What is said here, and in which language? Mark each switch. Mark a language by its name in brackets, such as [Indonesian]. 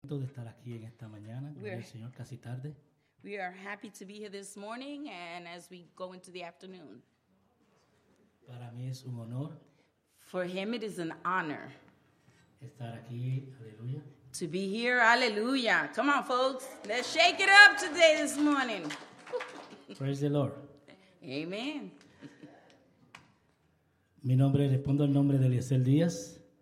[Spanish] contento de estar aquí en esta mañana, gloria al Señor, casi tarde. [English] We are happy to be here this morning and as we go into the afternoon. [Spanish] Para mí es un honor. [English] For him it is an honor. [Spanish] Estar aquí, aleluya. [English] To be here, aleluya. Come on folks, let's shake it up today this morning. Praise the Lord. Amen. [Spanish] Mi nombre, respondo el nombre de Eliezer Díaz.